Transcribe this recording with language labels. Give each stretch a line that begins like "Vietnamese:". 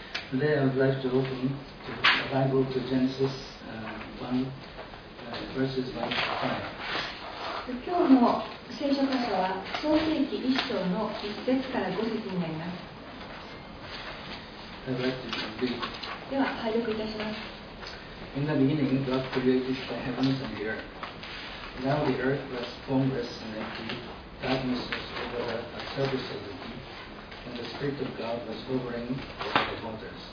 English: Today I would like to open the Bible to Genesis 1, verses 1 to 5.
Japanese: 今日の聖書箇所は創世記1章の1節から5節になります。
English: I'd like to read.
Japanese: では、拝読いたします。
English: In the beginning, God created the heavens and the earth. Now the earth was formless and empty. Darkness was over the surface of the deep. And the Spirit of God was hovering over the waters.